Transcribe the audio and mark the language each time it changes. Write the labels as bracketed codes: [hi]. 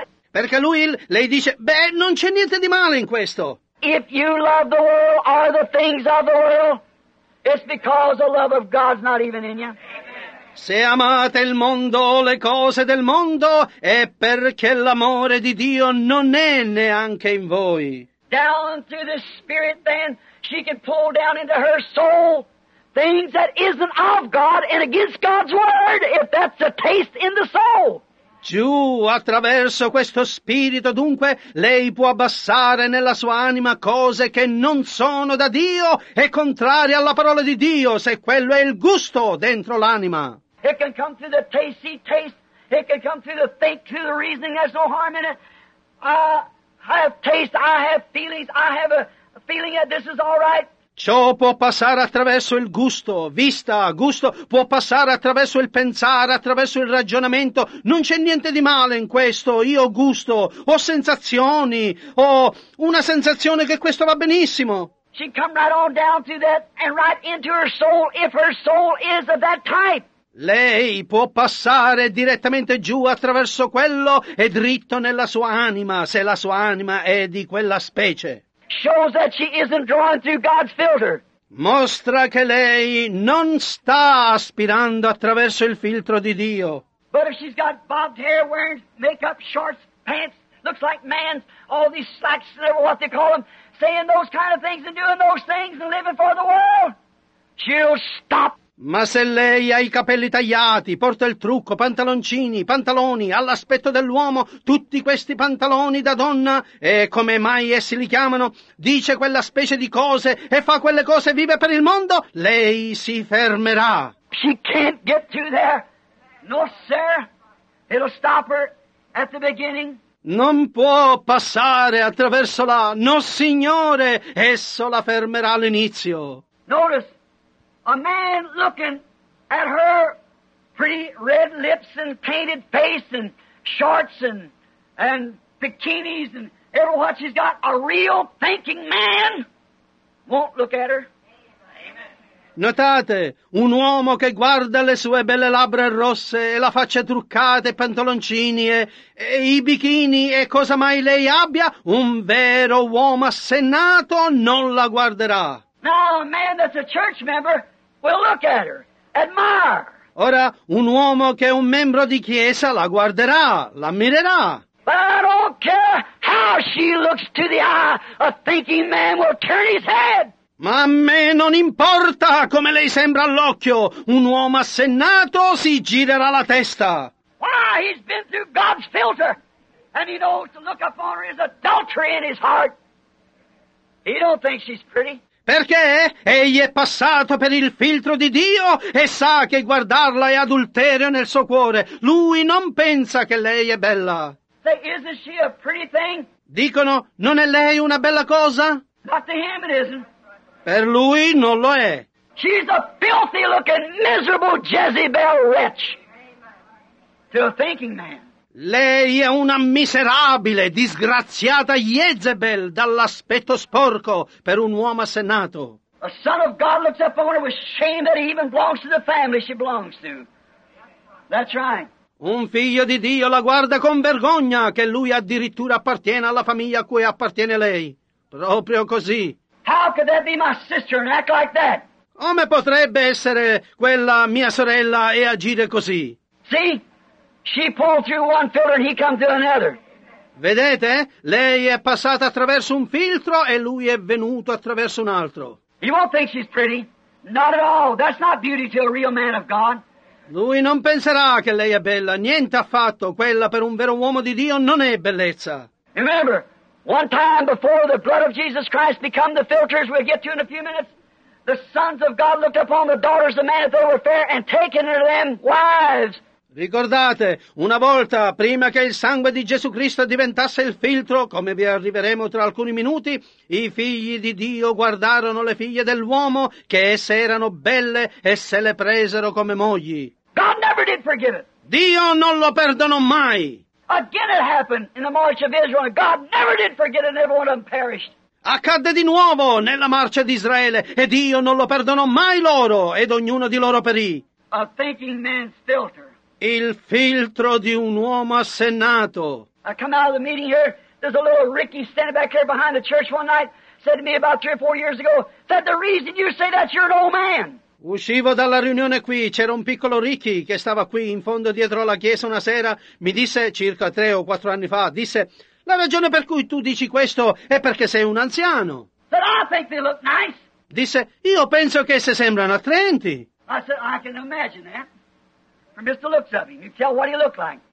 [it] Perché lui, lei dice, beh, non c'è niente di male in questo. [en] If you love the world or the things of the world, it's because the love of God's not even in you. [it] Se amate il mondo o le cose del mondo, è perché l'amore di Dio non è neanche in voi. [en] Down through the Spirit, then, she can pull down into her soul things that isn't of God and against God's Word, if that's a taste in the soul. [it] Giù, attraverso questo Spirito, dunque, lei può abbassare nella sua anima cose che non sono da Dio e contrarie alla parola di Dio, se quello è il gusto dentro l'anima. [en] It can come through the taste, see, taste. It can come through the think, through the reasoning. There's no harm in it. I have taste, I have feelings, I have a feeling that this is all right. [it] Ciò può passare attraverso il gusto, vista, gusto, può passare attraverso il pensare, attraverso il ragionamento. Non c'è niente di male in questo, io gusto, ho sensazioni, ho una sensazione che questo va benissimo. [en] She come right on down to that and right into her soul, if her soul is of that type. [it] Lei può passare direttamente giù attraverso quello e dritto nella sua anima, se la sua anima è di quella specie. [en] Shows that she isn't drawn through God's filter. [it] Mostra che lei non sta aspirando attraverso il filtro di Dio. [en] But if she's got bobbed hair, wearing makeup, shorts, pants, looks like man's, all these slacks, what they call them, saying those kind of things and doing those things and living for the world, she'll stop. [it] Ma se lei ha i capelli tagliati, porta il trucco, pantaloncini, pantaloni, all'aspetto dell'uomo, tutti questi pantaloni da donna, e come mai essi li chiamano, dice quella specie di cose e fa quelle cose e vive per il mondo, lei si fermerà. [en] She can't get through there. No, sir. It'll stop her at the beginning. [it] Non può passare attraverso là. No, signore, esso la fermerà all'inizio. [en] Notice. A man looking at her pretty red lips and painted face and shorts and bikinis and every what she's got, a real thinking man won't look at her. [it] Notate, un uomo che guarda le sue belle labbra rosse e la faccia truccata e pantaloncini e i bikini e cosa mai lei abbia, un vero uomo assennato non la guarderà. [en] Now a man that's a church member, we'll look at her, admire. [it] Ora, un uomo che è un membro di chiesa la guarderà, l'ammirerà. [en] But I don't care how she looks to the eye, a thinking man will turn his head. [it] Ma a me non importa come lei sembra all'occhio, un uomo assennato si girerà la testa. [en] Why, he's been through God's filter, and he knows to look upon her is adultery in his heart. He don't think she's pretty. [it] Perché egli è passato per il filtro di Dio e sa che guardarla è adulterio nel suo cuore. Lui non pensa che lei è bella. [en] Say, isn't she a pretty thing? [it] Dicono, non è lei una bella cosa? [en] Not to him it isn't. [it] Per lui non lo è. [en] She's a filthy looking, miserable Jezebel wretch to a thinking man. [it] Lei è una miserabile, disgraziata Jezebel dall'aspetto sporco per un uomo assennato. [en] A son of God looks upon her with shame that he even belongs to the family she belongs to. That's right. [it] Un figlio di Dio la guarda con vergogna che lui addirittura appartiene alla famiglia a cui appartiene lei. Proprio così. [en] How could that be my sister and act like that? [it] Come potrebbe essere quella mia sorella e agire così? [en] See? She pulled through one filter and he come through another. [it] Vedete? Lei è passata attraverso un filtro e lui è venuto attraverso un altro. [en] You won't think she's pretty. Not at all. That's not beauty to a real man of God. [it] Lui non penserà che lei è bella, niente affatto, quella per un vero uomo di Dio non è bellezza. [en] Remember, one time before the blood of Jesus Christ become the filters we'll get to in a few minutes, the sons of God looked upon the daughters of man if they were fair and taken unto them wives. [it] Ricordate, una volta, prima che il sangue di Gesù Cristo diventasse il filtro, come vi arriveremo tra alcuni minuti, i figli di Dio guardarono le figlie dell'uomo, che esse erano belle, e se le presero come mogli. [en] God never did forgive it. [it] Dio non lo perdonò mai. [en] Again it happened in the march of Israel. God never did forgive it, and everyone of them perished. [it] Accadde di nuovo nella marcia di Israele, e Dio non lo perdonò mai loro, ed ognuno di loro perì. [en] A thinking man's filter. [it] Il filtro di un uomo assennato. [en] I come out of the meeting here. There's a little Ricky standing back here behind the church one night. Said to me about 3 or 4 years ago, said the reason you say that, you're an old man. [it] Uscivo dalla riunione qui, c'era un piccolo Ricky che stava qui in fondo dietro alla chiesa una sera. Mi disse circa 3 o 4 anni fa. Disse, la ragione per cui tu dici questo è perché sei un anziano. [en] Said, I think they look nice. [it] Disse, io penso che se sembrano attraenti. [en] I said, I can imagine that. From just the looks of him, you tell what he looked like.